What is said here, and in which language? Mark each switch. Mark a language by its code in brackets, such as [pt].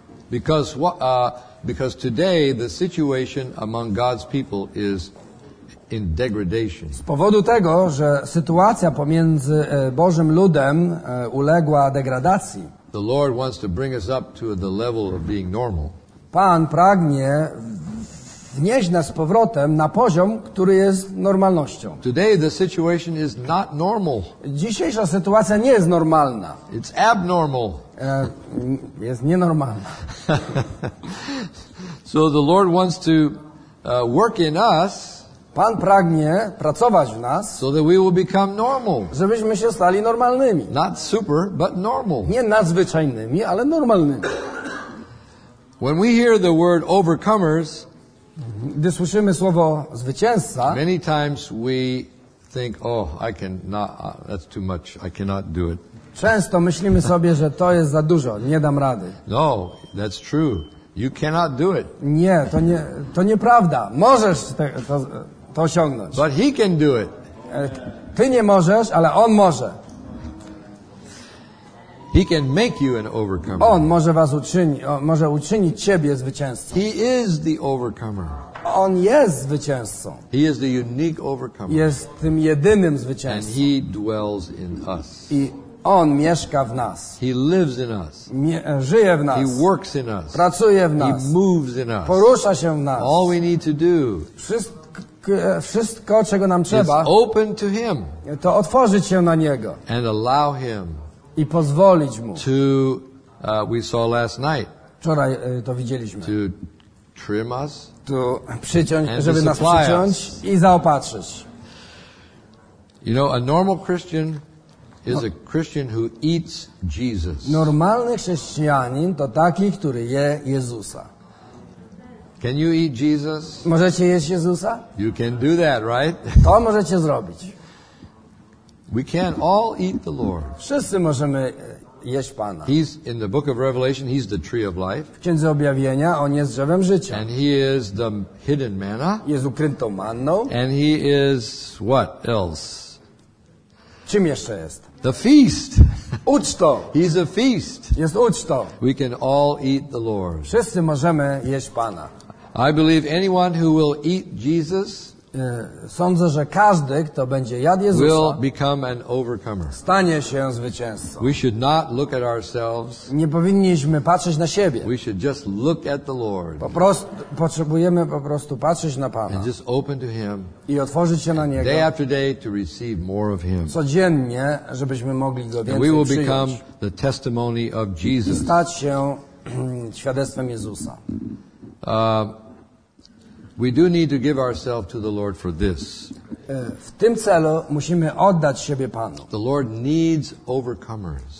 [en] Because today the situation among God's people is in degradation. [pl] Z powodu tego, że sytuacja pomiędzy Bożym ludem uległa degradacji. [en] The Lord wants to bring us up to the level of being normal. [pl] Pan pragnie wnieść nas z powrotem na poziom, który jest normalnością. [en] Today the situation is not normal. [pl] Dzisiejsza sytuacja nie jest normalna. [en] It's abnormal. [pl] Jest nienormalna. [en] So the Lord wants to work in us. [pl] Pan pragnie pracować w nas. [en] So that we will become normal. [pl] Żebyśmy się stali normalnymi. [en] Not super, but normal. [pl] Nie nadzwyczajnymi, ale normalnymi. [en] When we hear the word overcomers, [pl] gdy słyszymy słowo zwycięzca, [en] many times we think, oh, I cannot, that's too much, I cannot do it. [pl] Często myślimy sobie, że to jest za dużo, nie dam rady. [en] No, that's true. You cannot do it. [pl] Nie, to nieprawda. Możesz to osiągnąć. [en] But he can do it. [pl] Ty nie możesz, ale on może. [en] He can make you an overcomer. [pl] On może was uczynić, może uczynić ciebie zwycięzcą. [en] He is the overcomer. [pl] On jest zwycięzcą. [en] He is the unique overcomer. [pl] Jest tym jedynym zwycięzcą. [en] And he dwells in us. [pl] I on mieszka w nas. [en] He lives in us. [pl] Żyje w nas. [en] He works in us. [pl] Pracuje w nas. [en] He moves in us. [pl] Porusza się w nas. [en] All we need to do. [pl] Wszystko czego nam trzeba. [en] Is open to him. [pl] To otworzyć się na niego. [en] And allow him. [pl] I pozwolić mu. [en] To we saw last night. [pl] Wczoraj to widzieliśmy. [en] To trim us. [pl] To przyciąć, and żeby nas przyciąć us. I zaopatrzyć. [en] You know, a normal Christian is a Christian who eats Jesus. [pl] Normalny chrześcijanin to taki, który je Jezusa. [en] Can you eat Jesus? [pl] Możecie jeść Jezusa? [en] You can do that, right? [pl] To możecie zrobić. [en] We can all eat the Lord. [pl] Wszyscy możemy jeść Pana. [en] He's in the book of Revelation, he's the tree of life. [pl] W Księdze Objawienia on jest drzewem życia. [en] And he is the hidden manna. [pl] Jest ukrytą manną. [en] And he is what else? [pl] Czym jeszcze jest? [en] The feast. [pl] Uczto. [en] He's a feast. [pl] Jest uczto. [en] We can all eat the Lord. [pl] Wszyscy możemy jeść Pana. [en] I believe anyone who will eat Jesus, [pl] sądzę, że każdy, kto będzie jadł Jezusa, [en] will become an overcomer. [pl] Stanie się zwycięzcą. [en] We should not look at ourselves. [pl] Nie powinniśmy patrzeć na siebie. [en] We should just look at the Lord. [pl] Potrzebujemy po prostu patrzeć na Pana. [en] And just open to him. [pl] I otworzyć się na niego. [en] Day after day to receive more of him. [pl] Codziennie, żebyśmy mogli go więcej [en] we will become the testimony of Jesus. [pl] I stać się świadectwem Jezusa. [en] We do need to give ourselves to the Lord for this. [pl] W tym celu musimy oddać siebie Panu. [en] The Lord needs overcomers.